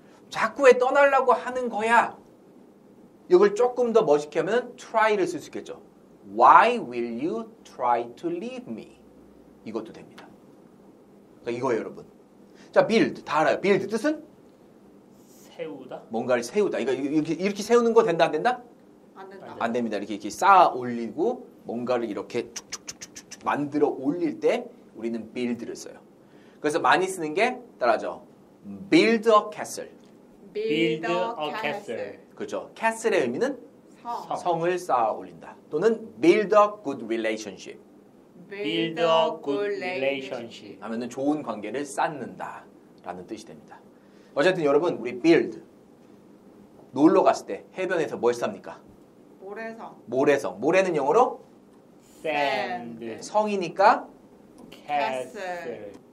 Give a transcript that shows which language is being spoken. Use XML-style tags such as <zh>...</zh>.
<ko>자꾸 왜 떠나려고 하는 거야? 이걸 조금 더 멋있게 하면 try를 쓸 수 있겠죠.</ko> <en>Why will you try to leave me?</en> <ko>이것도 됩니다. 그러니까 이거예요, 여러분. 자, build 다 알아요. build 뜻은? 세우다. 뭔가를 세우다. 그러니까 이렇게 세우는 거 된다, 안 된다? 안 된다. 안 됩니다. 이렇게 쌓아 올리고 뭔가를 이렇게 쭉쭉쭉쭉쭉 만들어 올릴 때 우리는 build를 써요. 그래서 많이 쓰는 게 따라하죠.</ko> <en>Build a castle. Build a castle.</en> <ko>그렇죠. 캐슬의 의미는 성. 성을 쌓아 올린다. 또는</ko> <en>build a good relationship. Build a good relationship.</en> <ko>하면은 좋은 관계를 쌓는다라는 뜻이 됩니다. 어쨌든 여러분 우리 build 놀러 갔을 때 해변에서 뭘 쌉니까? 모래성. 모래성. 모래는 영어로</ko> <en>sand.</en> <ko>성이니까</ko> <en>castle.</en>